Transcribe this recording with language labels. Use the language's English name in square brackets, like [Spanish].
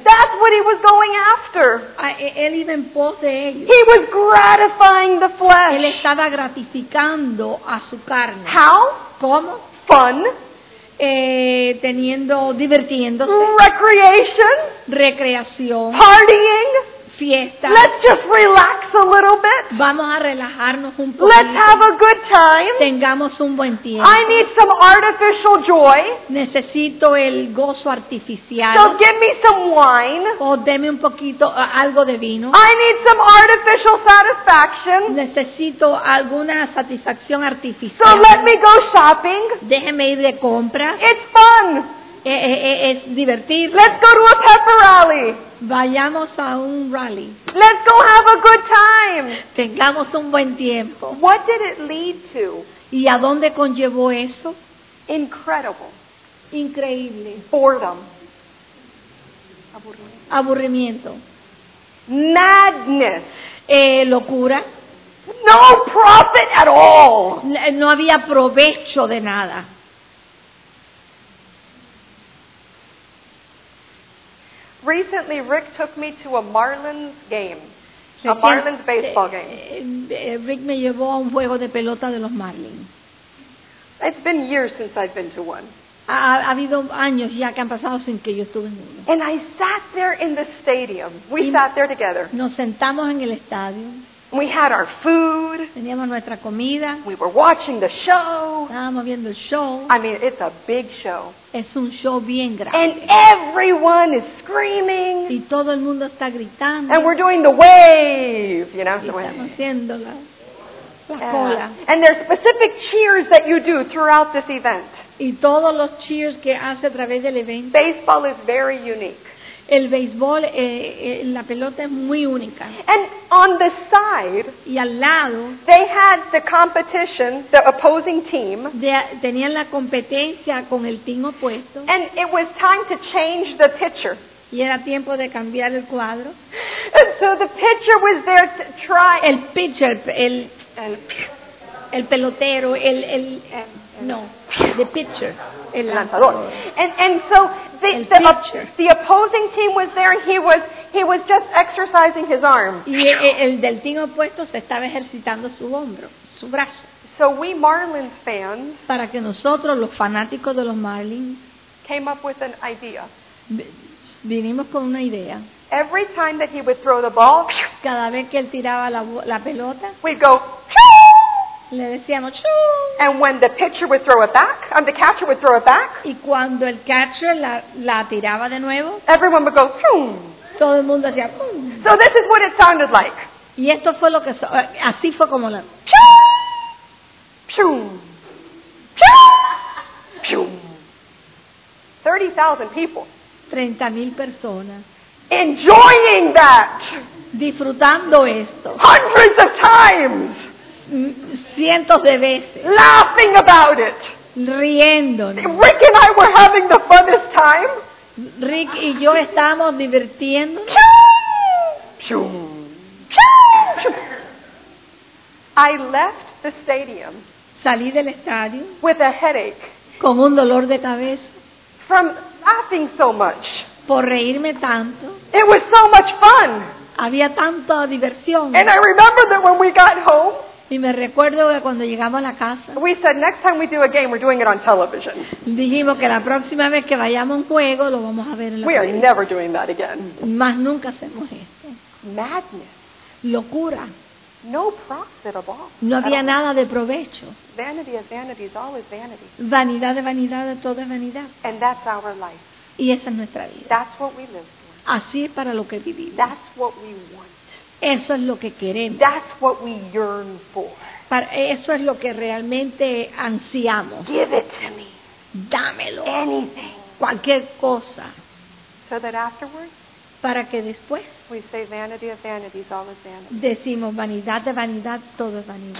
[English] That's what he was going after. [Spanish] Él iba en pos de ello. [English] He was gratifying the flesh. [Spanish] Él estaba gratificando a su carne. [English] How? [Spanish] ¿Cómo? [English] Fun. [Spanish] Teniendo, divirtiéndose. [English] Recreation. [Spanish] Recreación. [English] Partying. [Spanish] Fiesta. [English] Let's just relax a little bit. [Spanish] Vamos a relajarnos un poquito. [English] Let's have a good time. [Spanish] Tengamos un buen tiempo. [English] I need some artificial joy. [Spanish] Necesito el gozo artificial. [English] So give me some wine. [Spanish] O deme un poquito, algo de vino. [English] I need some artificial satisfaction. [Spanish] Necesito alguna satisfacción artificial. [English] So let me go shopping. [Spanish] Déjeme ir de compras. [English] It's fun. [Spanish] Es divertido. [English] Let's go to a pepper rally. [Spanish] Vayamos a un rally. [English] Let's go have a good time. [Spanish] Tengamos un buen tiempo. [English] What did it lead to? [Spanish] ¿Y a dónde conllevó eso? [English] Incredible. [Spanish] Increíble. [English] Boredom. [Spanish] Aburrimiento. [English] Madness. [Spanish] Locura. [English] No profit at all. [Spanish] No había provecho de nada. [English] Recently, Rick took me to a Marlins game, a Marlins baseball game. [Spanish] Rick me llevó a un juego de pelota de los Marlins. [English] It's been years since I've been to one. [Spanish] Ha habido años ya que han pasado sin que yo estuve en uno. [English] And I sat there in the stadium. We sat there together. [Spanish] Nos sentamos en el estadio. [English] We had our food. [Spanish] Teníamos nuestra comida. [English] We were watching the show. [Spanish] Estábamos viendo el show. [English] I mean, it's a big show. [Spanish] Es un show bien grande. [English] And everyone is screaming. [Spanish] Y todo el mundo está gritando. [English] And we're doing the wave, you know, the wave. [Spanish] Estamos haciendo la cola. [English] And there are specific cheers that you do throughout this event. [Spanish] Y todos los cheers que hace a través del evento. [English] Baseball is very unique. [Spanish] El béisbol, la pelota es muy única. [English] And on the side, [Spanish] y al lado, [English] they had the competition, the opposing team. [Spanish] Tenían la competencia con el team opuesto. [English] And it was time to change the pitcher. [Spanish] Y era tiempo de cambiar el cuadro. [English] And so the pitcher was there to try. [Spanish] El pitcher, el pelotero, no, [English] the pitcher, [Spanish] el lanzador. [English] And so the opposing team was there. He was just exercising his arm. [Spanish] Y el del team opuesto se estaba ejercitando su hombro, su brazo. [English] So we Marlins fans, [Spanish] para que nosotros los fanáticos de los Marlins, [English] came up with an idea. [Spanish] Vinimos con una idea. [English] Every time that he would throw the ball, [Spanish] cada vez que él tiraba la pelota, [English] we'd go. [Spanish] Le decíamos, [English] and when the pitcher would throw it back, and the catcher would throw it back, [Spanish] y cuando el catcher la tiraba de nuevo, [English] everyone would go, shoom. [Spanish] Todo el mundo hacía, shoom. [English] So this is what it sounded like. [Spanish] Y esto fue lo que, así fue como la, shoom, shoom, shoom, shoom. [English] 30,000 people. [Spanish] 30,000 personas. [English] Enjoying that. [Spanish] Disfrutando esto. [English] Hundreds of times. [Spanish] Cientos de veces. [English] Laughing about it. [Spanish] Riéndonos. [English] Rick and I were having the funnest time. [Spanish] Rick y yo estábamos divirtiéndonos. [English] Chum, chum, chum, chum. I left the stadium. [Spanish] Salí del estadio. [English] With a headache. [Spanish] Con un dolor de cabeza. [English] From laughing so much. [Spanish] Por reírme tanto. [English] It was so much fun. [Spanish] Había tanta diversión. [English] And I remember that when we got home. [Spanish] Y me recuerdo que cuando llegamos a la casa, [English] we said, next time we do a game, we're doing it on television. [Spanish] Dijimos que la próxima vez que vayamos a un juego, lo vamos a ver en la [English] televisión. We are never doing that again. [Spanish] Más nunca hacemos esto. [English] Madness. [Spanish] Locura. [English] No profit at all. [Spanish] No había nada de provecho. [English] Vanity of vanities, all is vanity. [Spanish] Vanidad de vanidad, todo es vanidad. [English] And that's our life. [Spanish] Y esa es nuestra vida. [English] That's what we live for. [Spanish] Así es para lo que vivimos. [English] That's what we want. [Spanish] Eso es lo que queremos. [English] That's what we yearn for. [Spanish] Eso es lo que realmente ansiamos. [English] Give it to me. [Spanish] Dámelo. [English] Anything. [Spanish] Cualquier cosa. [English] So that afterwards, [Spanish] para que después, [English] we say vanity of vanities, all is vanity. [Spanish] Decimos vanidad de vanidad, todo es vanidad.